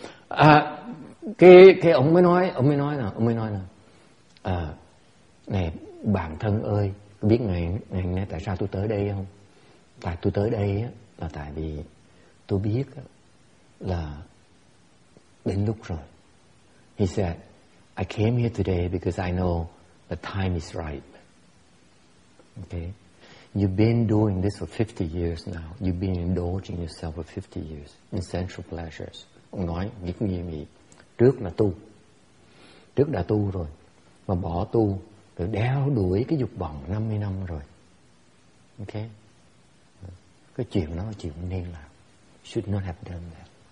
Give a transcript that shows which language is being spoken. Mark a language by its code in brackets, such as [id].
[vi] À, cái ông mới nói là à, này bạn thân ơi, biết ngày tại sao tôi tới đây không? Tại tôi tới đây á, là tại vì tôi biết là đến lúc rồi. [en] He said, I came here today because I know the time is ripe. Okay, you've been doing this for 50 years now. You've been indulging yourself for 50 years in sensual pleasures. [vi] Ông nói nghiêm nghiêm gì? Trước đã tu rồi, mà bỏ tu rồi đeo đuổi cái dục vọng 50 năm rồi. Okay. Cái chuyện đó là chuyện nên làm. [en] Should not have done that.